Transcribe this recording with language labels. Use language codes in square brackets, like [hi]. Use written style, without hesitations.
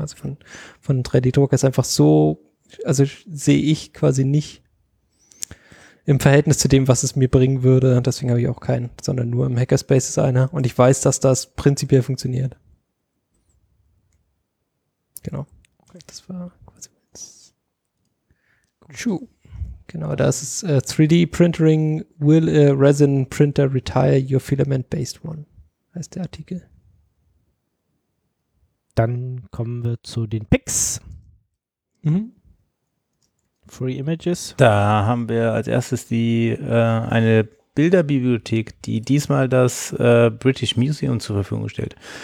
[de] Also von 3D-Druck ist einfach so, also sehe ich quasi nicht im Verhältnis zu dem, was es mir bringen würde. Deswegen habe ich auch keinen, sondern nur im Hackerspace ist einer. Und ich weiß, dass das prinzipiell funktioniert. Genau. Das war quasi jetzt. Schuh. Genau, da ist es 3D Printering. [en] Will a resin printer retire your filament-based one? [de] Heißt der Artikel. Dann kommen wir zu den Picks. Mhm. Free Images. Da haben wir als erstes die eine Bilderbibliothek, die diesmal das British Museum zur Verfügung stellt.